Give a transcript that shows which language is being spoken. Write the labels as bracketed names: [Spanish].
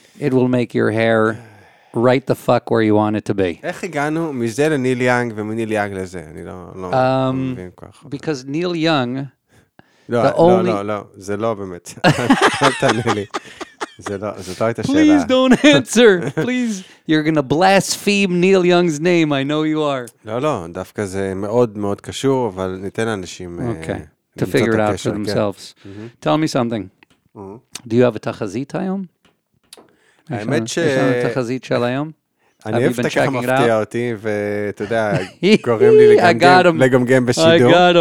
[English] It will make your hair right the fuck where you want it to be. [Hebrew] איך הגענו מזה לניל יאנג ומניל יאנג לזה? אני לא מבין ככה. [English] Because Neil Young, the only... [Hebrew] לא, זה לא באמת. אל תענה לי. [English] Please don't answer. Please, you're going to blaspheme Neil Young's name. I know you are. [Hebrew] לא, לא, דווקא זה מאוד מאוד קשור, אבל ניתן לאנשים... [English] Okay, to figure it out for themselves. Tell me something. Do you have a [Hebrew] תחזית היום? האמת ש... יש לנו תחזית של היום? אני אוהב את ככה מפתיע אותי, ואתה יודע, גורם לי לגמגם בשידור.